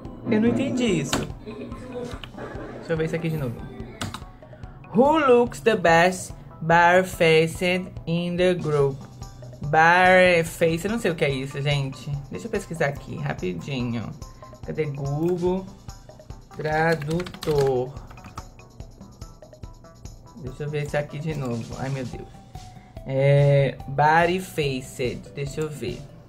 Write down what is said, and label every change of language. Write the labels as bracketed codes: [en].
[pt] Eu não entendi isso. Deixa eu ver isso aqui de novo. [en] Who looks the best barefaced in the group? [pt] Barefaced, eu não sei o que é isso, gente. Deixa eu pesquisar aqui, rapidinho. Cadê Google? Tradutor. Deixa eu ver isso aqui de novo. Ai, meu Deus. É, barefaced, deixa eu ver.